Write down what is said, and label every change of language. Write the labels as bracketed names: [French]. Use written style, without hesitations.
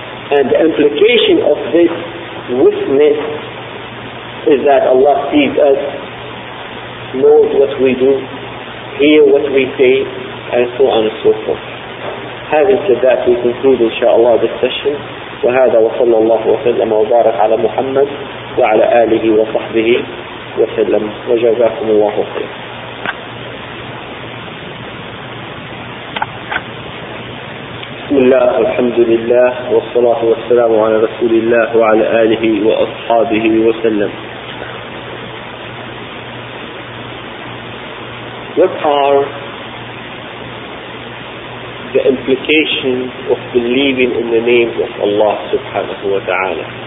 [English] And the implication of this witness is that Allah sees us, knows what we do, hear what we say, and so on and so forth. Having said that, we conclude inshaAllah this session. [Arabic] وهذا وصلى الله وسلم وبارك على محمد وعلى آله وصحبه وسلم وجزاكم الله خيرا. بسم الله والحمد لله والصلاة والسلام على رسول الله وعلى آله وأصحابه وسلم. [English] What are the implications of believing in the names of Allah subhanahu wa ta'ala?